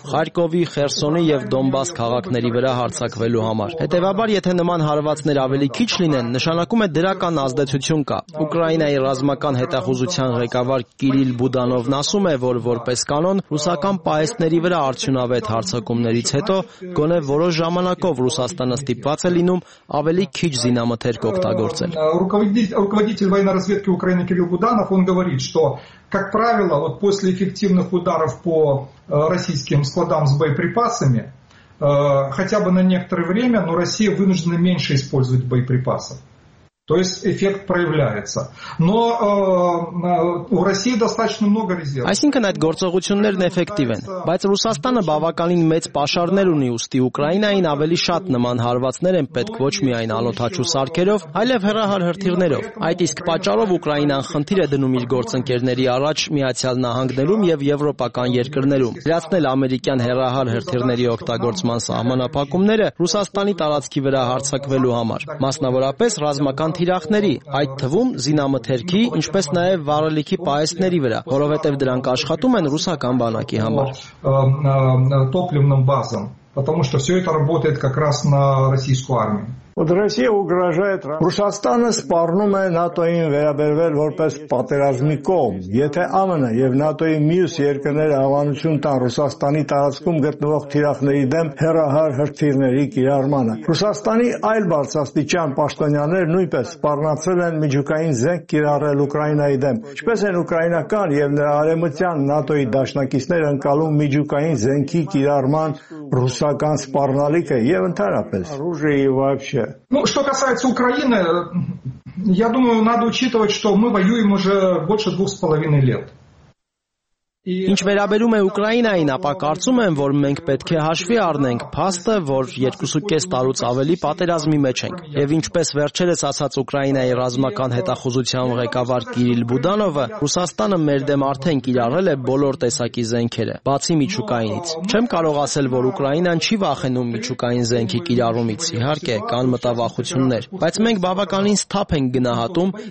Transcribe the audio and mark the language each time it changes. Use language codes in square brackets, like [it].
[hy] Խարկովի, Խերսոնի եւ Դոնբաս քաղաքների վրա հարձակվելու համար։ Հետևաբար, եթե նման հարվածներ ավելի քիչ լինեն, նշանակում է դրական ազդեցություն կա։ Ուկրաինայի ռազմական հետախուզության ղեկավար Կիրիլ Բուդանովն ասում է, որ որպես կանոն ռուսական պահեստների վրա արդյունավետ հարձակումներից հետո գոնե որոշ ժամանակով Ռուսաստանը ստիպված է լինում ավելի քիչ զինամթեր օգտագործել։ [ru] Руководитель военной разведки Украины Кирилл Буданов, он говорит, что, как правило, вот после эффективных ударов по российским складам с боеприпасами, хотя бы на некоторое время, но Россия вынуждена меньше использовать боеприпасов. То есть эффект проявляется. Но у России достаточно много резервов. [hy] Այսինքն այդ գործողություններն էֆեկտիվ են, բայց Ռուսաստանը բավականին մեծ պաշարներ ունի, ուստի Ուկրաինային ավելի շատ նման հարվածներ են պետք ոչ միայն ալոթաչու սարքերով, այլև հրահար հրթիռներով։ Այդ իսկ պատճառով Ուկրաինան խնդիր է դնում իր գործընկերների առաջ Միացյալ Նահանգներում եւ Եվրոպական երկրներում։ Գրացնել ամերիկյան հրահար հրթիռների օգտագործման սահմանափակումները Ռուսաստանի տարածքի վրա հարձակվելու համար, մասնավորապես ռազմական թիրախների, այդ թվում զինամթերքի, ինչպես նաև վարելիքի պայեսների վրա, որովհետև դրանք աշխատում են ռուսական բանակի համար։ [ru] Топливным базам, потому что всё это работает как раз на российскую армию. [hy] Ռուսաստանը սպառնում է ՆԱՏՕ-ին վերաբերվել որպես պատերազմի կողմ։ Եթե ԱՄՆ եւ ՆԱՏՕ-ի մյուս երկրները հավանություն տան Ռուսաստանի տարածքում գտնվող թիրախների դեմ հերահար հրթիռների կիրառմանը, Ռուսաստանի այլ բարձրաստիճան պաշտոնյաները նույնպես սպառնացել են միջուկային զենք կիրառել Ուկրաինայի դեմ, ինչպես են ուկրաինական եւ նրա արեմության ՆԱՏՕ-ի դաշնակիցները ընկալում միջուկային զենքի կիրառման ռուսական սպառնալիքը եւ ընդհանրապես։ [ru] Ну, что касается Украины, я думаю, надо учитывать, что мы воюем уже больше 2.5 лет. [hy] Ինչ վերաբերում է Ուկրաինային, ապա կարծում եմ, որ մենք պետք է հաշվի առնենք փաստը, որ 2.5 տարուց ավելի պատերազմի մեջ ենք։ Եվ ինչպես վերջերս ասաց Ուկրաինայի ռազմական հետախուզության ղեկավար Կիրիլ Բուդանովը, Ռուսաստանը մեր դեմ արդեն կիրառել է բոլոր տեսակի զենքերը, բացի միջուկայինից։ Չեմ կարող ասել, որ Ուկրաինան չի վախենում միջուկային զենքի կիրառումից, իհարկե, կան մտավախություններ, բայց մենք բավականին սթափ ենք գնահատում